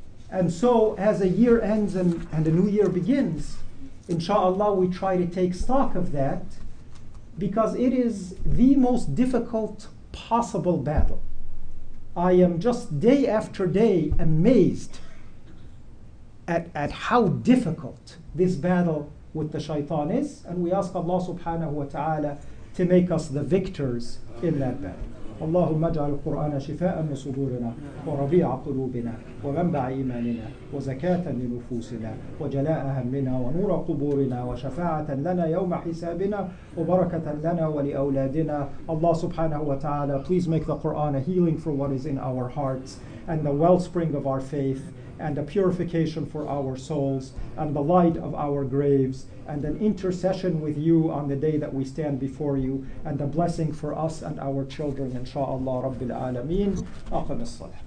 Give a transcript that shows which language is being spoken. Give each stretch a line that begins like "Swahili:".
English: And so as a year ends and a new year begins, inshallah, we try to take stock of that, because it is the most difficult possible battle. I am just day after day amazed at how difficult this battle with the shaitan is. And we ask Allah subhanahu wa ta'ala to make us the victors in that battle.
Arabic: اللهم اجعل القرآن شفاء لصدورنا وربيع قلوبنا ومنبع إيماننا وزكاة لنفوسنا وجلاء همنا ونور قبورنا وشفاعة لنا يوم حسابنا وبركة لنا ولأولادنا. الله سبحانه وتعالى,
English: please make the Quran a healing for what is in our hearts and the wellspring of our faith and a purification for our souls and the light of our graves and an intercession with you on the day that we stand before you and a blessing for us and our children, inshallah, Rabbil Alameen.
Arabic: Aqim as-salah.